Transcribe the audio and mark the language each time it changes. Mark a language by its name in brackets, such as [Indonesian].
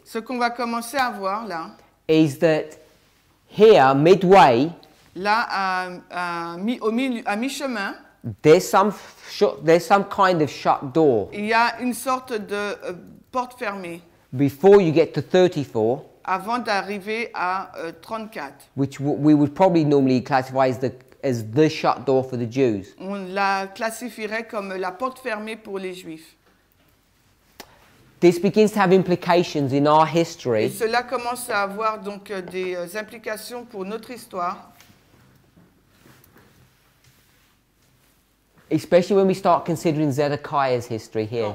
[French] Ce qu'on va commencer à voir là, [English] is that here, midway, [French] là, au milieu, à mi-chemin, [English] there's some kind of shut door. [French] Il y a une sorte de porte fermée. [English] Before you get to 34, [French] avant d'arriver à 34, [English] which we would probably normally classify as the shut door for the Jews. [French] On la classifierait comme la porte fermée pour les Juifs. [English] This begins to have implications in our history. [French] Et cela commence à avoir donc des implications pour notre histoire. [English] Especially when we start considering Zedekiah's history here.